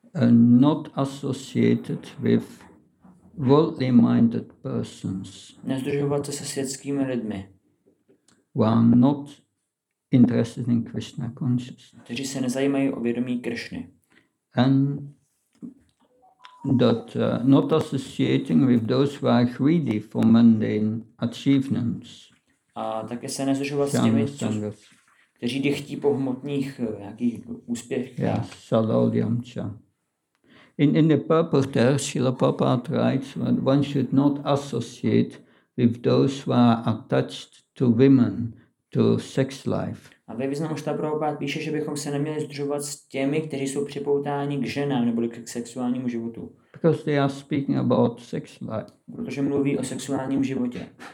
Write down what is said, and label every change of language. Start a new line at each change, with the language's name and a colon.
English: Not associated with worldly minded persons.
Czech: Nezdružovat se světskými lidmi.
English: While not interested in Krishna consciousness.
Czech: Kteří se nezajímají o vědomí Krishny.
English: And that not associating with those who are greedy for mundane achievements.
Czech: A také se nezdržovat s těmi, kteří dechtí po hmotných úspěchů.
Sanskrit: Yes, salolyam cha.
English: In the purport there, Srila Prabhupada writes that one should not associate with those who are attached to women, to sex life.
Czech: A ve významu štá Prabhupád píše, že bychom se neměli združovat s těmi, kteří jsou připoutáni k ženám nebo k sexuálnímu životu.
English: Because they are speaking about sex life.
Czech: Protože mluví o sexuálním životě.